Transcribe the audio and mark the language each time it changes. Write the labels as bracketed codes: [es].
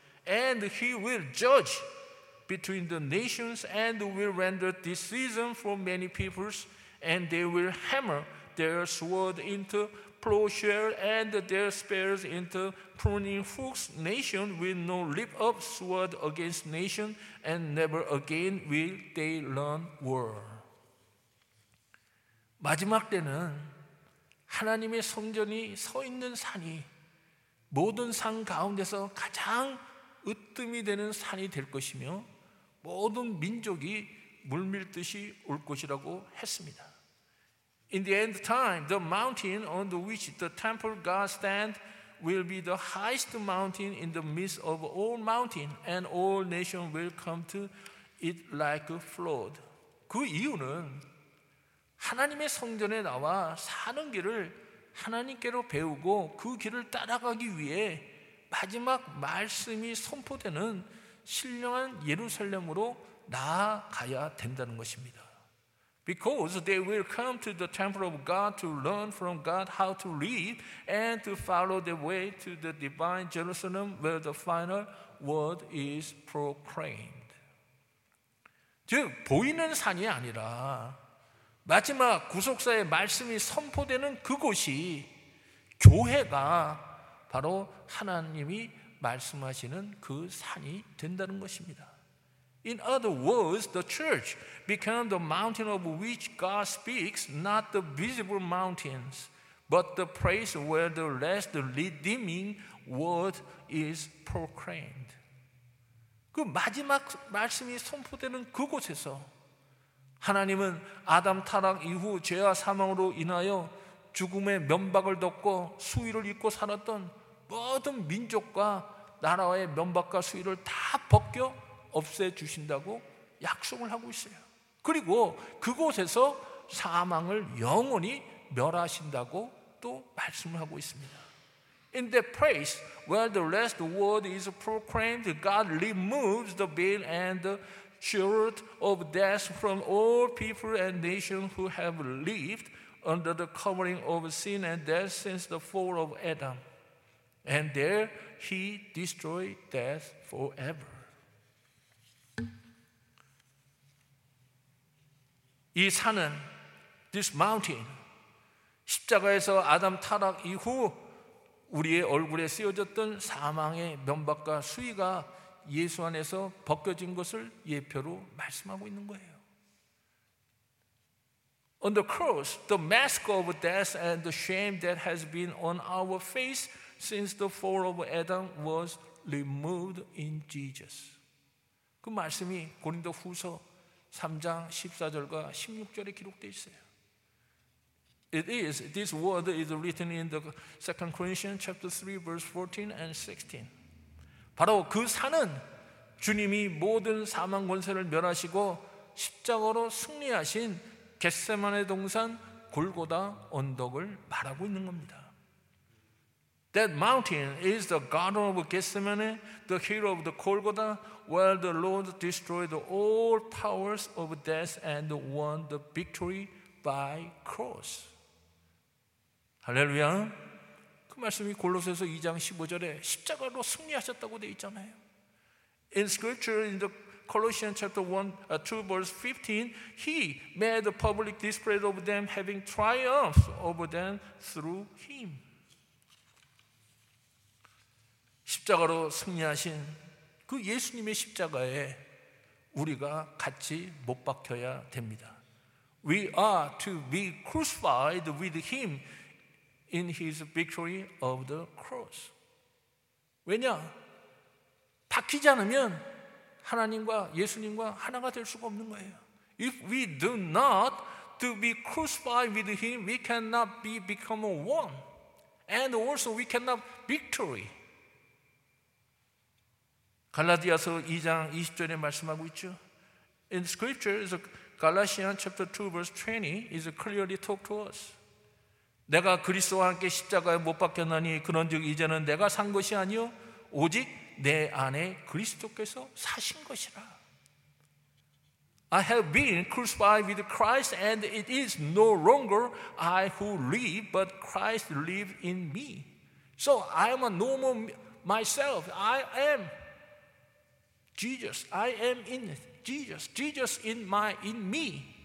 [en] And he will judge between the nations and will render decision for many peoples. And they will hammer their sword into plowshare and their spears into pruning hooks. Nation will no lift up sword against nation and never again will they learn war. [ko] 마지막 때는 하나님의 성전이 서 있는 산이 모든 산 가운데서 가장 으뜸이 되는 산이 될 것이며 모든 민족이 물밀듯이 올 것이라고 했습니다. [en] In the end time, the mountain on which the temple God stands will be the highest mountain in the midst of all mountains, and all nations will come to it like a flood. [ko] 그 이유는 하나님의 성전에 나와 사는 길을 하나님께로 배우고 그 길을 따라가기 위해 마지막 말씀이 선포되는 신령한 예루살렘으로 나아가야 된다는 것입니다. [en] Because they will come to the temple of God to learn from God how to live and to follow the way to the divine Jerusalem where the final word is proclaimed. [ko] 즉, 보이는 산이 아니라 마지막 구속사의 말씀이 선포되는 그곳이 교회가 바로 하나님이 말씀하시는 그 산이 된다는 것입니다. [en] In other words, the church became the mountain of which God speaks, not the visible mountains, but the place where the last redeeming word is proclaimed. [ko] 그 마지막 말씀이 선포되는 그곳에서 하나님은 아담 타락 이후 죄와 사망으로 인하여 죽음의 면박을 덮고 수위를 입고 살았던 모든 민족과 나라와의 면박과 수위를 다 벗겨 없애주신다고 약속을 하고 있어요. 그리고 그곳에서 사망을 영원히 멸하신다고 또 말씀을 하고 있습니다. [en] In that place where the last word is proclaimed, God removes the veil and the shield of death from all people and nations who have lived under the covering of sin and death since the fall of Adam. And there he destroyed death forever. [ko] 이 산은, [en] this mountain, [ko] 십자가에서 아담 타락 이후 우리의 얼굴에 씌워졌던 사망의 면박과 수위가 예수 안에서 벗겨진 것을 예표로 말씀하고 있는 거예요. [en] On the cross, the mask of death and the shame that has been on our face since the fall of Adam was removed in Jesus. [ko] 그 말씀이 고린도 후서 3장 14절과 16절에 기록되어 있어요. [en] This word is written in the 2 Corinthians chapter 3 verse 14 and 16. [ko] 바로 그 산은 주님이 모든 사망 권세를 멸하시고 십자가로 승리하신 겟세마네 동산 골고다 언덕을 말하고 있는 겁니다. [en] That mountain is the garden of Gethsemane, the hill of the Golgotha, where the Lord destroyed all powers of death and won the victory by cross. [ko] 할렐루야! 그 말씀이 골로새서 2장 15절에 십자가로 승리하셨다고 되어 있잖아요. [en] In scripture, in the Colossians chapter 2 verse 15, he made a public display of them having triumphed over them through him. [ko] 십자가로 승리하신 그 예수님의 십자가에 우리가 같이 못 박혀야 됩니다. [en] We are to be crucified with him in his victory of the cross. [ko] 왜냐? 바뀌지 않으면 하나님과 예수님과 하나가 될 수가 없는 거예요. [en] If we do not to be crucified with him, we cannot be become one. And also we cannot victory. [ko] 갈라디아서 2장 20절에 말씀하고 있죠. [en] In scripture, Galatians chapter 2 verse 20 is clearly talk to us. [ko] 내가 그리스도와 함께 십자가에 못 박혔나니 그런즉 이제는 내가 산 것이 아니요 오직 내 안에 그리스도께서 사신 것이라. [en] I have been crucified with Christ and it is no longer I who live but Christ lives in me. So I am a normal myself. I am Jesus. I am in Jesus. Jesus in me.